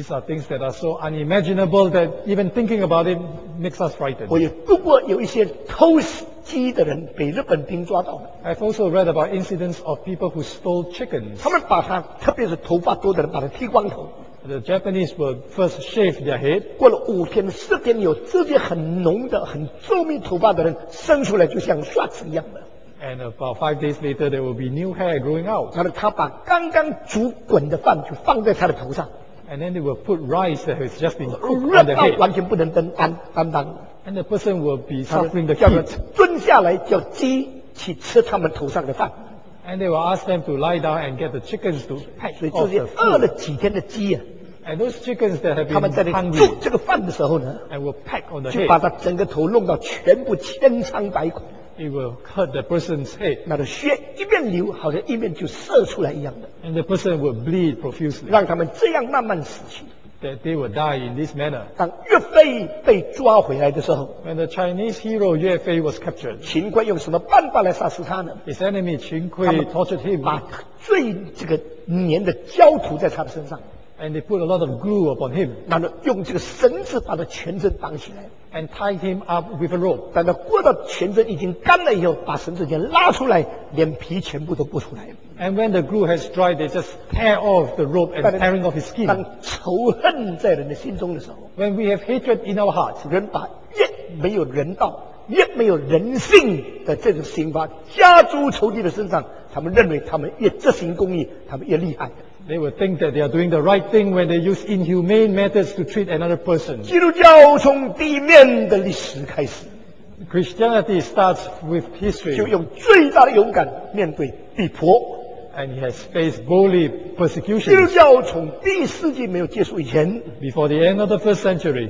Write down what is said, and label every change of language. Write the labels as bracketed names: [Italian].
[English] And these are things that are so unimaginable that even thinking about it makes us frightened. [Chinese] 我也读过有一些偷鸡的人被日本兵抓到了。 [English] I've also read about incidents of people who stole chickens. [Chinese] 他们把他，特别是头发多的人，把他剃光头。 [English] The Japanese would first shave their head. [Chinese] 过了五天、四天，有这些很浓的、很皱密头发的人生出来，就像刷子一样的。 [English] And about 5 days later, there will be new hair growing out. [Chinese] 然后他把刚刚煮滚的饭就放在他的头上。 [English] And then they will put rice that has just been cooked on their head. [Chinese] 热到完全不能担当。 [English] And the person will be suffering the heat. [Chinese] 叫他蹲下来，叫鸡去吃他们头上的饭。 [English] And they will ask them to lie down and get the chickens to pack off the food. [Chinese] 所以这些饿了几天的鸡啊。 [English] And those chickens that have been hungry. [Chinese] 他们在那煮这个饭的时候呢。 [English] And will pack on the head. [Chinese] 就把他整个头弄到全部千疮百孔。 [English] It will hurt the person's head. [Chinese] 那的血一边流，好像一边就射出来一样的。 [English] And the person will bleed profusely. [Chinese] 让他们这样慢慢死去。 [English] That they will die in this manner. [Chinese] 当岳飞被抓回来的时候 [English] ，When the Chinese hero 岳飞 was captured, [Chinese] 秦桧用什么办法来杀死他呢 [English] ？His enemy 秦桧 tortured him. [Chinese] 把最这个粘的胶涂在他的身上 [English] ，And they put a lot of glue upon him. [Chinese] 然后用这个绳子把他全身绑起来 [English] ，And tied him up with a rope. [Chinese] 等到过到全身已经干了以后，把绳子先拉出来，连皮全部都剥出来。 [English] And when the glue has dried, they just tear off the rope and tearing off his skin. [Chinese] 当仇恨在人的心中的时候 [English] ，When we have hatred in our hearts, [Chinese] 人把越没有人道、越没有人性的这种刑罚加诸仇敌的身上，他们认为他们越执行公义，他们越厉害。 [English] They will think that they are doing the right thing when they use inhumane methods to treat another person. [Chinese] 基督教从地面的历史开始 [English] ，Christianity starts with history. [Chinese] 就用最大的勇敢面对逼迫。 [English] and he has faced bully persecution. [Chinese] 基督教从第一世纪没有结束以前 [English] ，before the end of the first century，